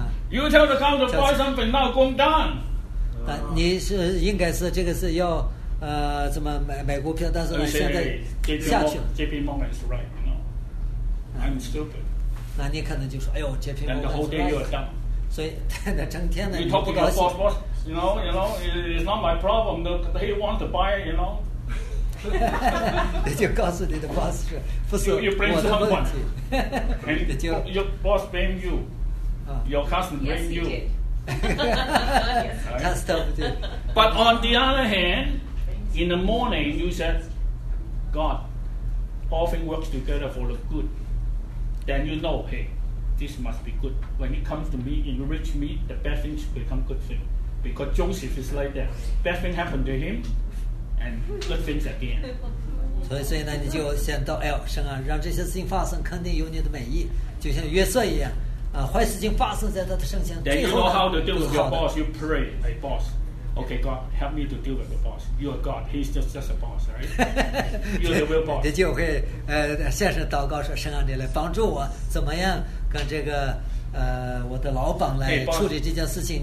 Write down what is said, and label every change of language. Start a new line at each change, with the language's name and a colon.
English: You tell the counter buy something now, going down.
Chinese: 但你是应该是这个是要。怎么买股票？但是呢，现在下去了。
English: JP Morgan is right, you know. I'm stupid.
Chinese: 那你可能就说：“哎呦 ，JP Morgan。”
English: Then the whole day you're down.
Chinese: 所以，那整天呢？
English: You talk to the boss, you know, it's not my problem. He wants to buy, you know.
Chinese: 你就告诉你的 boss 说：“不是我的问题。” 你就
English: your boss blame you. Your cousin blame you. That's tough. But on the other hand. In the morning, you said, "God, all things work together for the good." Then you know, hey, this must be good. When it comes to me, enrich me, the bad things become good things. Because Joseph is like that. Bad thing happened to him, and good things again.
Chinese: 所以呢，你就先到哎，神啊，让这些事情发生，肯定有你的美意，就像约瑟一样，啊，坏事情发生在他的身上，最后
English: how to deal with your boss. You pray, hey, boss. Okay, God, help me to deal with the boss. You are God. He's just a boss, right? You're the real boss.
Chinese: 你就会向神祷告说：“神啊，你来帮助我，怎么样跟这个我的老板来处理这件事情？